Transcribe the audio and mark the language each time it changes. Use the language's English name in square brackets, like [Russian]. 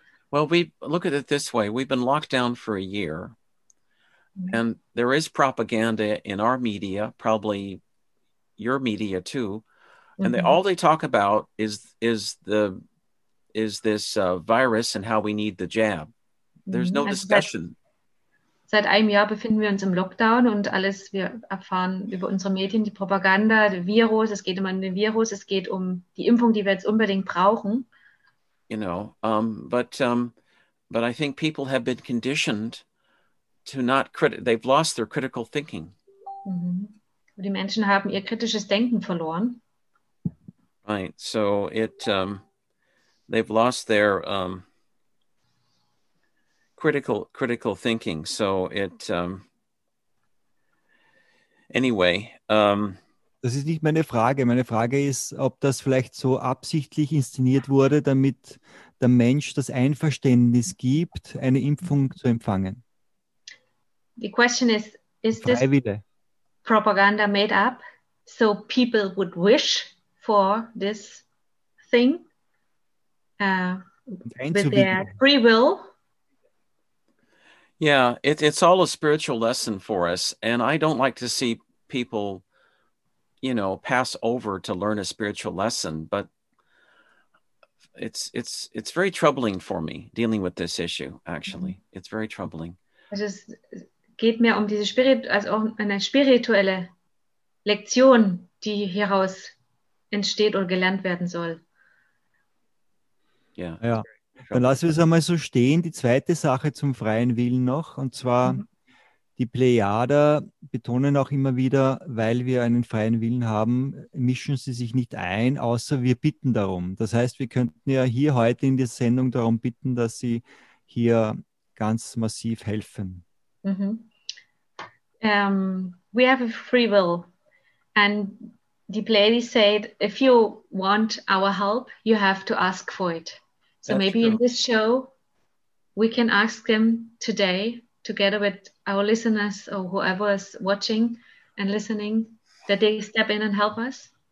[English] Well, we look at it this way. We've been locked down for a year. And there is propaganda in our media, probably your media too. And they, all they talk about is this virus and how we need the jab. There's no discussion. [German] Seit einem Jahr befinden wir uns im Lockdown und alles, wir erfahren über unsere Medien, die Propaganda, der Virus, es geht immer um den Virus, es geht um die Impfung, die wir jetzt unbedingt brauchen. [English] You know, but I think people have been conditioned to not they've lost their critical thinking. [German] Mm-hmm. Die Menschen haben ihr kritisches Denken verloren. [English] Right, so it, they've lost their critical thinking. So it, anyway. [German] Das ist nicht meine Frage. Meine Frage ist, ob das vielleicht so absichtlich inszeniert wurde, damit der Mensch das Einverständnis gibt, eine Impfung zu empfangen. [English] The question is this propaganda made up so people would wish for this thing with their free will? Yeah, it's all a spiritual lesson for us. And I don't like to see people, you know, pass over to learn a spiritual lesson. But it's very troubling for me dealing with this issue, actually. It's very troubling. [German] Also es geht mehr um diese spirituelle Lektion, die hieraus entsteht oder gelernt werden soll. [English] Yeah. [German] Ja. Dann lassen wir es einmal so stehen. Die zweite Sache zum freien Willen noch, und zwar die Plejader betonen auch immer wieder, weil wir einen freien Willen haben, mischen sie sich nicht ein, außer wir bitten darum. Das heißt, wir könnten ja hier heute in der Sendung darum bitten, dass sie hier ganz massiv helfen. [English] Mm-hmm. We have a free will. And the Plejader said, if you want our help, you have to ask for it. So that's maybe true. In this show, we can ask them today, together with our listeners or whoever is watching and listening, that they step in and help us.